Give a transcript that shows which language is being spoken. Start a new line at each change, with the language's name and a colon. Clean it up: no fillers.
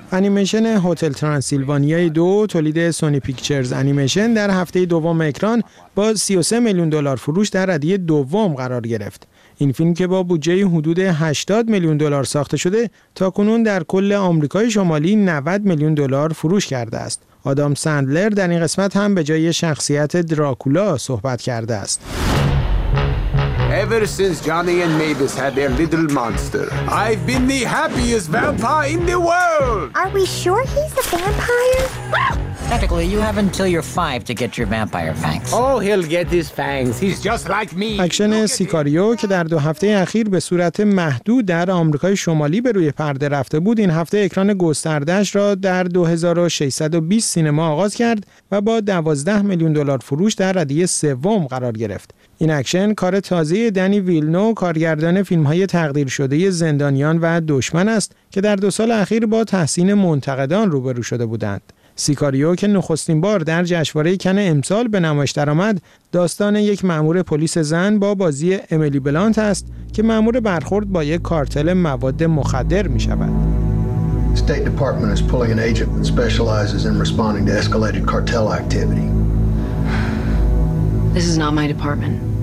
Persian: انیمیشن هتل ترانسیلوانیای 2 تولید سونی پیکچرز انیمیشن در هفته دوم اکران با 33 میلیون دلار فروش در ردیه دوم قرار گرفت. این فیلم که با بودجه حدود 80 میلیون دلار ساخته شده تاکنون در کل آمریکای شمالی 90 میلیون دلار فروش کرده است. آدام سندلر در این قسمت هم به جای شخصیت دراکولا صحبت کرده است.
English: Ever since Johnny and Mavis had their little monster, I've been the happiest vampire in the world. Are we sure he's a vampire? Technically, you have until you're 5 to get your vampire fangs. Oh, he'll get his fangs. He's just like me.
Persian: اکشن سیکاریو که در دو هفته اخیر به صورت محدود در آمریکای شمالی به روی پرده رفته بود، این هفته اکران گسترده‌اش را در 2620 سینما آغاز کرد و با 12 میلیون دلار فروش در ردیه سوم قرار گرفت. این اکشن کار تازه دنی ویلنو، کارگردان فیلم‌های تقدیر شده زندانیان و دشمن است که در دو سال اخیر با تحسین منتقدان روبرو شده بودند. سیکاریو که نخستین بار در جشنواره کن امسال به نمایش درآمد، داستان یک مأمور پلیس زن با بازی امیلی بلانت است که مأمور برخورد با یک کارتل مواد مخدر می‌شود.
English: State Department is pulling an agent that specializes in responding to escalated cartel activity. This is not my department.